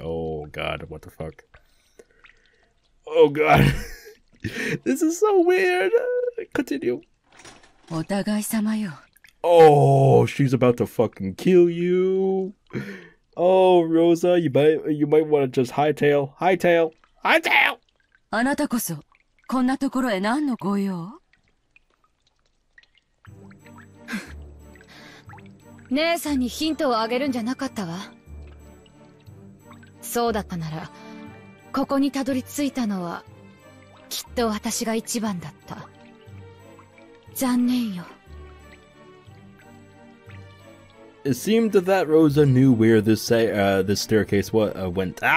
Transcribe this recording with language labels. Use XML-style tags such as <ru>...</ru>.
<en>Oh, God, what the fuck? Oh, God. This is so weird. Continue.</en> <ja>Otagai-sama yo.</ja> <en>Oh, she's about to fucking kill you. Oh, Rosa, you might want to just hightail. Hightail! Hightail!</en> <ja>あなたこそ、こんなところへ何のご用？姉さんにヒントをあげるんじゃなかったわ。そうだったなら、ここにたどり着いたのは、きっと私が一番だった。残念よ。</ja> <en>It seemed that Rosa knew where this staircase went.</en>